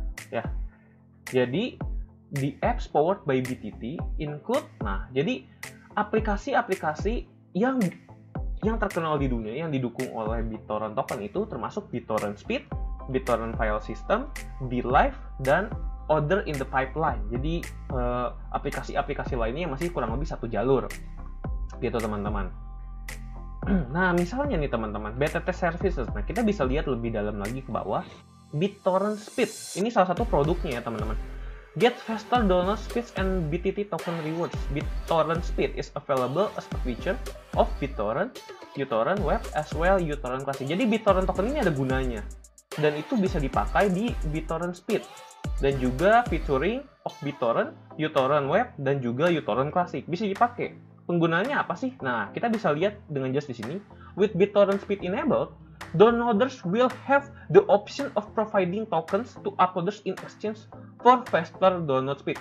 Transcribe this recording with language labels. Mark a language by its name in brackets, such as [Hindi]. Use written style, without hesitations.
[Indonesian] Ya, jadi [English] the apps powered by BTT include, [Indonesian] nah, jadi aplikasi-aplikasi yang terkenal di dunia yang didukung oleh BitTorrent token itu termasuk BitTorrent Speed, BitTorrent File System, BeLive, dan [English] Other in the Pipeline. [Indonesian] Jadi aplikasi-aplikasi lainnya yang masih kurang lebih satu jalur, gitu teman-teman. Nah, misalnya nih teman-teman, BTT Services. Nah, kita bisa lihat lebih dalam lagi ke bawah, BitTorrent Speed. Ini salah satu produknya ya teman-teman. [English] Get faster download speeds and BTT token rewards. BitTorrent Speed is available as a feature of BitTorrent, uTorrent Web, as well uTorrent Classic. [Indonesian] Jadi BitTorrent token ini ada gunanya. Dan itu bisa dipakai di BitTorrent Speed. Dan juga [English] featuring of [Indonesian] BitTorrent, uTorrent Web, dan juga uTorrent Classic. Bisa dipakai. Penggunanya apa sih? Nah, kita bisa lihat dengan jelas di sini. [English] With BitTorrent Speed enabled, downloaders will have the option of providing tokens to uploaders in exchange for faster download speed.